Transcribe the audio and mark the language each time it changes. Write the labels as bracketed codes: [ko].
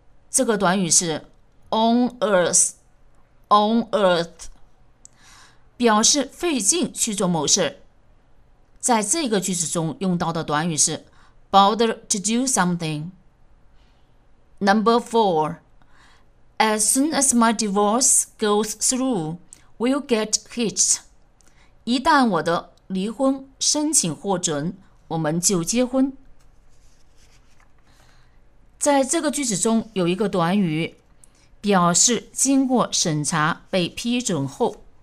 [zh] 这个短语是 on earth， 表示费劲去做某事。在这个句子中用到的短语是 bother to do something。 [en] Number 4, As soon as my divorce goes through, we'll get hitched. [zh] 一旦我的离婚申请获准，我们就结婚。在这个句子中有一个短语，表示经过审查被批准后。